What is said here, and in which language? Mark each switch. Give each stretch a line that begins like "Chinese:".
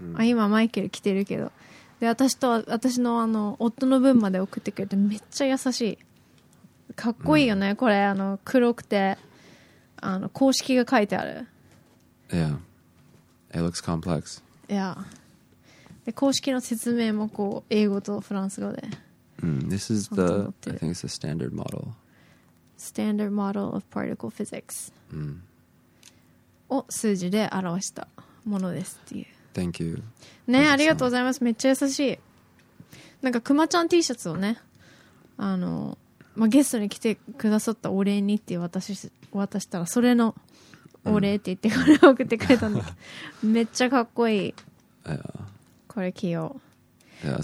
Japanese: あ、今マイケル着てるけど。で、私と私のあの、夫の分まで送ってくれて、めっちゃ優しい。かっこいいよね、mm. これあの黒くてあの公式が書いてある。
English: Yeah. It looks complex. Yeah.
Japanese: で公式の説明もこう英語とフランス語で。
English: This is the I think it's the standard model. Standard model of particle physics.
Japanese: を数字で表したものですっていう。
English: Thank you.
Japanese: ね、ありがとうございます。めっちゃ優しい。なんかクマちゃん T シャツをね、あの、まあ、ゲストに来てくださったお礼にって渡したら、それのお礼って言ってこれ送ってくれたんだけど、めっちゃかっこいい、これ着よう。